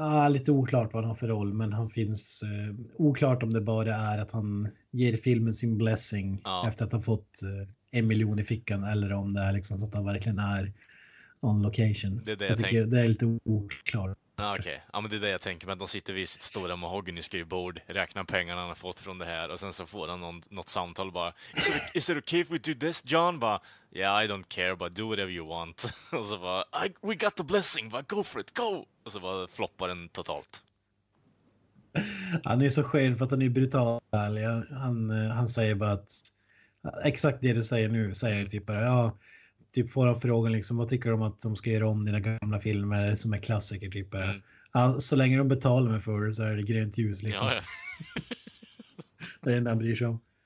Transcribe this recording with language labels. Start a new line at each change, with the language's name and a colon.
Swedish: Lite oklart vad han har för roll, men han finns oklart om det bara är att han ger filmen sin blessing efter att han fått en miljon i fickan, eller om det är liksom så att han verkligen är
English: on location.
Swedish: Det är det jag tänker. Det är lite oklart. Okej, okay. Men det är det jag tänker, men de sitter vid sitt stora mahogny skrivbord, räknar pengarna han har fått från det här, och sen så får han något samtal bara,
English: is it okay if we do this, John?
Swedish: Bara,
English: yeah, I don't care, but do whatever you want.
Swedish: Och så bara,
English: we got the blessing, but go for it, go!
Swedish: Och så bara floppar den totalt. Han är så skön för att han är brutal. Han säger bara att, exakt det du säger nu, säger typ bara, ja... Typ får han frågan liksom, vad tycker de om att de ska göra om dina gamla filmer som är klassiker typ. Mm. Alltså, så länge de betalar mig för det så är det grönt ljus liksom. Ja, ja. Det är den där bryr sig om.